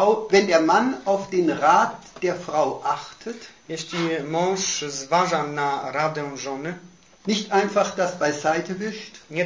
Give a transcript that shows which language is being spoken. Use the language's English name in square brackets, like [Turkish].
[German] wenn der Mann auf den Rat der Frau achtet. [Polish] Jeśli mąż zważa na radę żony, [German] nicht einfach das beiseite wischt,